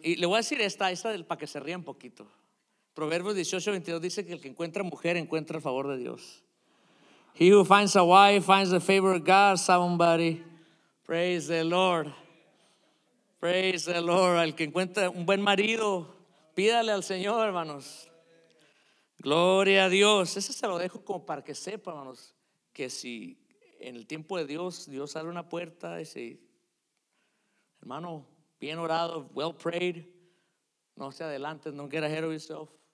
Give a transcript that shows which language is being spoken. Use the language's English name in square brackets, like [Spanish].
[Spanish] Y le voy a decir esta del para que se ríe un poquito. Proverbios 18:22 dice que el que encuentra mujer encuentra el favor de Dios. [English] He who finds a wife finds the favor of God, somebody. Praise the Lord. Praise the Lord. [Spanish] El que encuentra un buen marido, pídale al Señor, hermanos. Gloria a Dios. Ese se lo dejo como para que sepa, hermanos, que si en el tiempo de Dios, Dios abre una puerta y dice, hermano, bien orado, [English] well prayed, [Spanish] no se adelante, [English] don't get ahead of yourself.